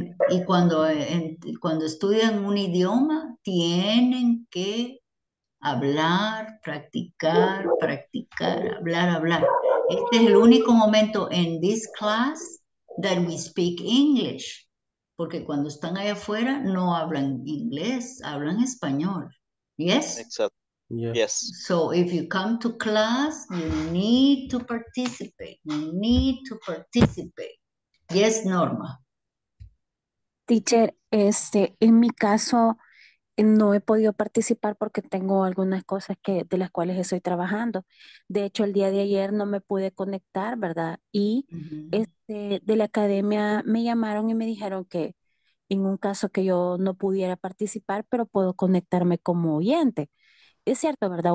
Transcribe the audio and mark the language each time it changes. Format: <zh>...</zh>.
<es>Y cuando estudian un idioma, tienen que hablar, practicar, hablar. Este es el único momento en</es> <en>this class that we speak English.</en> <es>Porque cuando están allá afuera, no hablan inglés, hablan español.</es> <en>Yes? Yes. So if you come to class, you need to participate. You need to participate. Yes, Norma.</en> <es>Teacher, en mi caso, no he podido participar porque tengo algunas cosas que, de las cuales estoy trabajando. De hecho, el día de ayer no me pude conectar, ¿verdad? Y de la academia me llamaron y me dijeron que en un caso que yo no pudiera participar, pero puedo conectarme como oyente. Es cierto, ¿verdad?</es>